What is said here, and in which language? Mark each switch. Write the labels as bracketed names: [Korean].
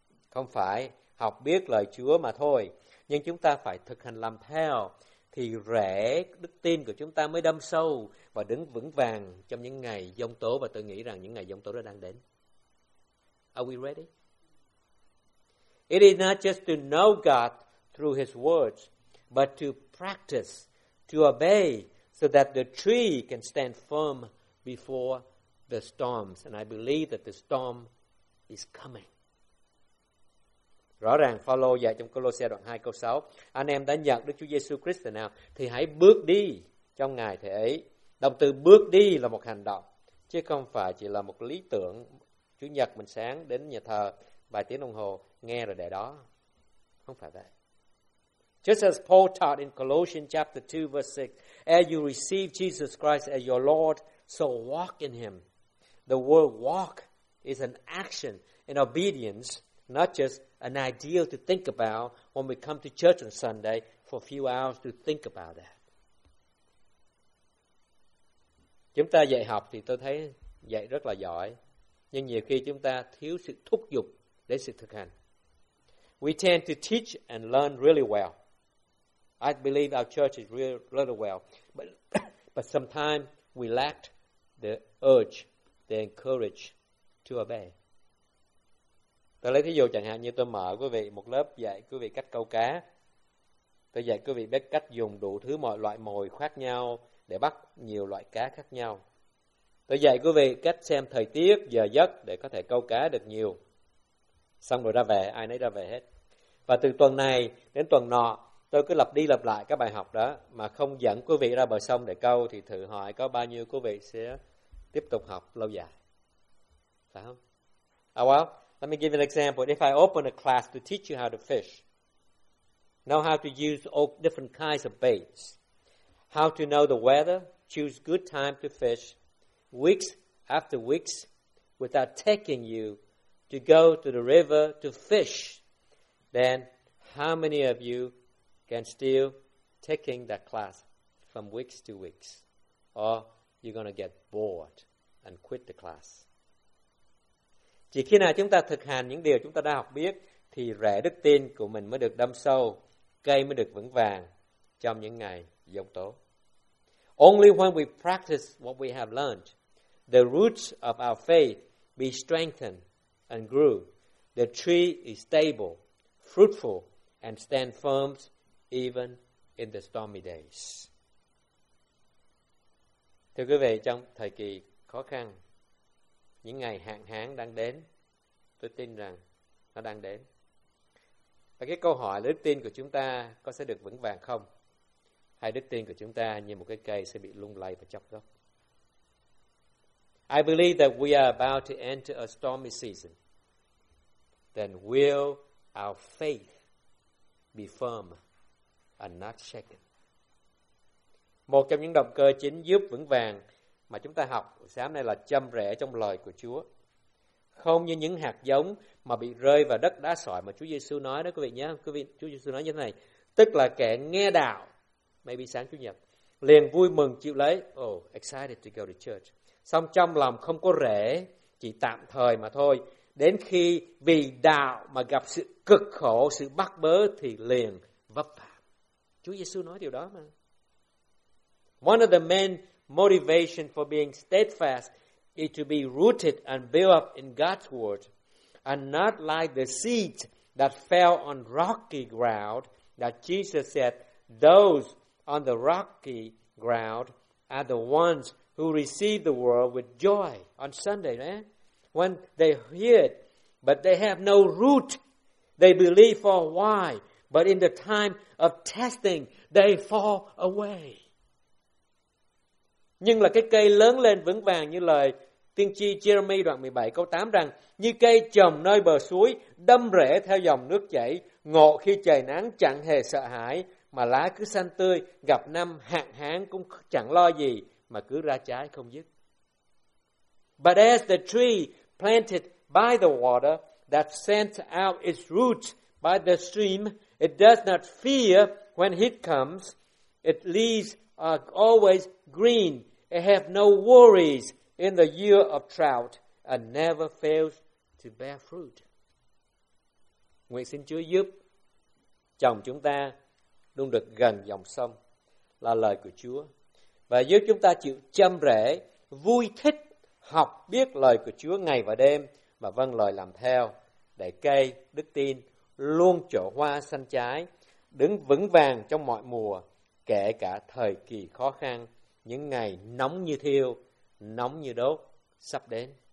[Vietnamese] Không phải học biết lời Chúa mà thôi, nhưng chúng ta phải thực hành làm theo, thì rễ đức tin của chúng ta mới đâm sâu và đứng vững vàng trong những ngày giông tố, và tôi nghĩ rằng những ngày giông tố đó đang đến. [English] Are we ready? It is not just to know God through His words, but to practice, to obey, so that the tree can stand firm before the storms. And I believe that the storm is coming. [Vietnamese] Rõ ràng Phaolô dạy trong Colossae đoạn 2 câu 6, anh em đã nhận Đức Chúa Giêsu Christ nào thì hãy bước đi trong Ngài thế ấy. Động từ bước đi là một hành động, chứ không phải chỉ là một lý tưởng. Chủ nhật mình sáng đến nhà thờ vài tiếng đồng hồ nghe rồi để đó, không phải vậy. [English] Just as Paul taught in Colossians chapter 2 verse 6, as you receive Jesus Christ as your Lord, so walk in Him. The word walk is an action in obedience, not just an idea to think about when we come to church on Sunday for a few hours to think about that. [Vietnamese] Chúng ta dạy học thì tôi thấy dạy rất là giỏi, nhưng nhiều khi chúng ta thiếu sự thúc giục để sự thực hành. [English] We tend to teach and learn really well. I believe our church is really well, but sometimes we lacked the urge, the encourage to obey. [Vietnamese] Tôi lấy thí dụ chẳng hạn như tôi mở quý vị một lớp dạy quý vị cách câu cá. Tôi dạy quý vị biết cách dùng đủ thứ mọi loại mồi khác nhau để bắt nhiều loại cá khác nhau. Tôi dạy quý vị cách xem thời tiết, giờ giấc để có thể câu cá được nhiều. Xong rồi ra về, ai nấy ra về hết. Và từ tuần này đến tuần nọ, tôi cứ lặp đi lặp lại các bài học đó mà không dẫn quý vị ra bờ sông để câu, thì thử hỏi có bao nhiêu quý vị sẽ tiếp tục học lâu dài. Phải không? [English] Oh well, let me give you an example. If I open a class to teach you how to fish, know how to use all different kinds of baits, how to know the weather, choose good time to fish, weeks after weeks without taking you to go to the river to fish, then how many of you can still taking that class from weeks to weeks, or you're going to get bored and quit the class? [Vietnamese] Chỉ khi nào chúng ta thực hành những điều chúng ta đã học biết thì rễ đức tin của mình mới được đâm sâu, cây mới được vững vàng trong những ngày giông tố. [English] Only when we practice what we have learned, the roots of our faith be strengthened and grew, the tree is stable, fruitful, and stand firm even in the stormy days. [Vietnamese] Thưa quý vị, trong thời kỳ khó khăn, những ngày hạn hán đang đến, tôi tin rằng nó đang đến. Và cái câu hỏi là đức tin của chúng ta có sẽ được vững vàng không? Hay đức tin của chúng ta như một cái cây sẽ bị lung lay và chóc gốc? [English] I believe that we are about to enter a stormy season. Then will our faith be firm and not shaken? [Vietnamese] Một trong những động cơ chính giúp vững vàng mà chúng ta học sáng nay là chăm rễ trong lời của Chúa. Không như những hạt giống mà bị rơi vào đất đá sỏi mà Chúa Giêsu nói đó quý vị nhé. Quý vị, Chúa Giêsu nói như thế này. Tức là kẻ nghe đạo, [English] maybe [Vietnamese] sáng Chủ nhật, liền vui mừng chịu lấy. [English] Oh, excited to go to church. [Vietnamese] Xong trong lòng không có rễ, chỉ tạm thời mà thôi. Đến khi vì đạo mà gặp sự cực khổ, sự bắt bớ thì liền vấp phạm. Chúa Giêsu nói điều đó mà. [English] One of the main motivation for being steadfast is to be rooted and built up in God's word. and not like the seed that fell on rocky ground, that Jesus said, those on the rocky ground are the ones who receive the word with joy on Sunday, man. When they hear it, but they have no root, they believe for a while, but in the time of testing, they fall away. [Vietnamese] Nhưng là cái cây lớn lên vững vàng như lời tiên tri Jeremy đoạn 17 câu 8 rằng như cây trồng nơi bờ suối đâm rễ theo dòng nước chảy, ngộ khi trời nắng chẳng hề sợ hãi, mà lá cứ xanh tươi, gặp năm hạn hán cũng chẳng lo gì, mà cứ ra trái không dứt. [English] But as the tree planted by the water that sent out its roots by the stream, it does not fear when heat comes. Its leaves are always green. It have no worries in the year of drought and never fails to bear fruit. [Vietnamese] Nguyện xin Chúa giúp chồng chúng ta luôn được gần dòng sông là lời của Chúa. Và giúp chúng ta chịu châm rễ, vui thích học biết lời của Chúa ngày và đêm và vâng lời làm theo, để cây đức tin luôn trổ hoa xanh trái, đứng vững vàng trong mọi mùa, kể cả thời kỳ khó khăn, những ngày nóng như thiêu, nóng như đốt sắp đến.